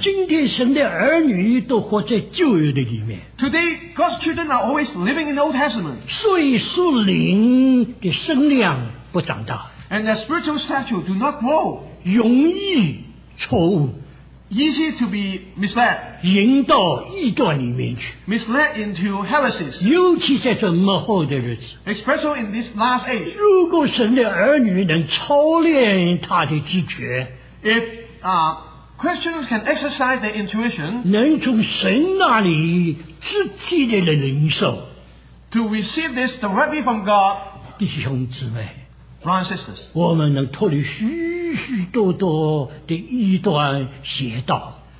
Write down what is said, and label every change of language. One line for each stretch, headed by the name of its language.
Chinese: 今天神的儿女都活在旧约的里面,
English: today, God's children are always living in the Old Testament.
Chinese: 所以树林的生量不长大,
English: and their spiritual stature do not grow.
Chinese: 容易错误,
English: easy to be misled,
Chinese: 引到异端里面去,
English: misled into heresies,
Chinese: 尤其在这末后的日子,
English: especially in this last age.
Chinese: 如果神的儿女能操练他的知觉,
English: if Christians can exercise their intuition,
Chinese: 能从神那里实际的领受,
English: to receive this directly from God,
Chinese: 弟兄姊妹,
English: brothers and sisters,
Chinese: 我们能脱离虚, 许多多的异端邪道,